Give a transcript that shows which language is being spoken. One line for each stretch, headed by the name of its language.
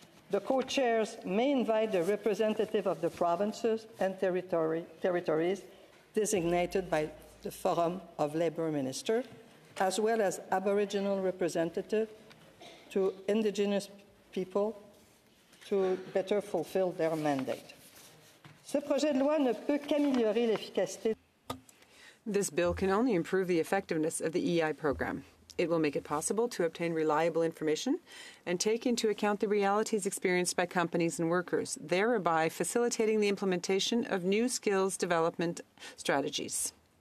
English: The co-chairs may invite the representative of the provinces and territories designated by the Forum of Labor Ministers, as well as Aboriginal representative to Indigenous people to better fulfill their mandate.
French: Ce projet de loi ne peut qu'améliorer l'efficacité.
English: This bill can only improve the effectiveness of the EI program. It will make it possible to obtain reliable information and take into account the realities experienced by companies and workers, thereby facilitating the implementation of new skills development strategies.